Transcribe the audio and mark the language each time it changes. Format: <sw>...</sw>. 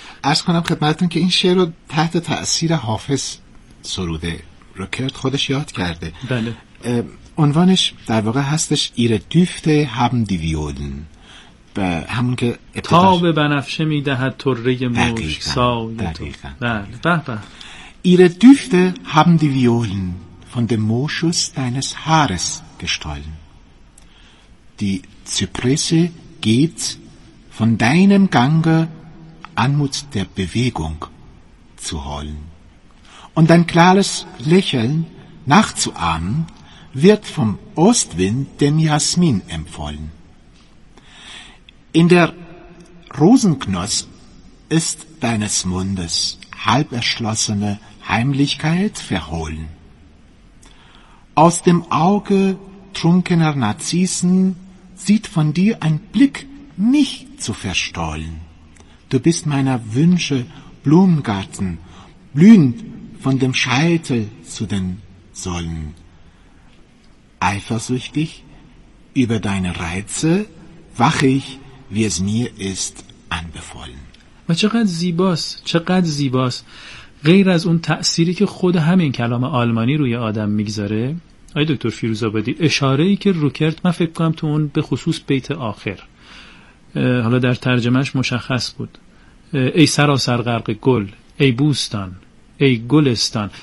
<fa>عرض کنم خدمتتون که این شعر رو تحت تأثیر حافظ سروده، روکرت خودش یاد کرده. بله. عنوانش در واقع هستش</fa> <de>ایره دوفت هم دی ویولن،</de> <fa>همون که ابتدار... تا به بنفشه میدهد طره مشک سایه تو. بله.</fa> <de>ایره دوفت هم دی ویولن von dem Moschus deines Haares gestollen. Die Zypresse geht von deinem Gange Anmut der Bewegung zu holen. Und dein klares Lächeln nachzuahmen wird vom Ostwind dem Jasmin empfohlen. In der Rosenknosp ist deines Mundes halb erschlossene, Heimlichkeit verhohlen. Aus dem Auge trunkener Narzissen sieht von dir ein Blick mich zu verstohlen. Du bist meiner Wünsche Blumengarten, blühend von dem Scheitel zu den Säulen. Eifersüchtig über deine Reize wache ich, wie es mir ist, anbefohlen.</de> <fa>و چقدر زیباست، چقدر زیباست. غیر از اون تأثیری که خود همین کلام آلمانی روی آدم میگذاره، آی دکتر فیروزآبادی، اشاره ای که روکرت من فکر کنم تو اون به خصوص بیت آخر، حالا در ترجمهش مشخص بود، ای سراسر غرق گل، ای بوستان، ای گلستان.</fa>